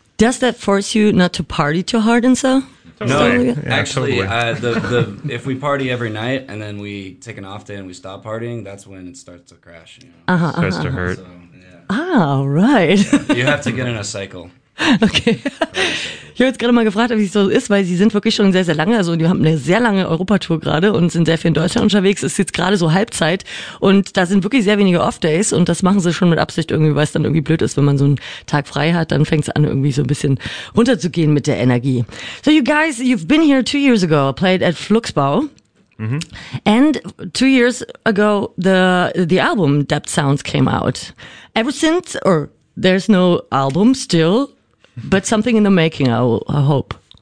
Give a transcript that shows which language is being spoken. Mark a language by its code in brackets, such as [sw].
[en] Does that force you not to party too hard and so? No, yeah, actually, totally. the if we party every night and then we take an off day and we stop partying, that's when it starts to crash. You know? Uh-huh, starts uh-huh. to hurt. So, ah, all right. Yeah, you have to get in a cycle. Okay. [de] Ich habe jetzt gerade mal gefragt, ob es so ist, weil Sie sind wirklich schon sehr, sehr lange, also die haben eine sehr lange Europatour gerade und sind sehr viel in Deutschland unterwegs. Ist jetzt gerade so Halbzeit und da sind wirklich sehr wenige Off-Days und das machen sie schon mit Absicht irgendwie, weil es dann irgendwie blöd ist, wenn man so einen Tag frei hat, dann fängt es an, irgendwie so ein bisschen runterzugehen mit der Energie. [en] So you guys, you've been here 2 years ago, played at Fluxbau. Mm-hmm. And 2 years ago, the album Depth Sounds came out. Ever since, or there's no album still, but something in the making, I hope.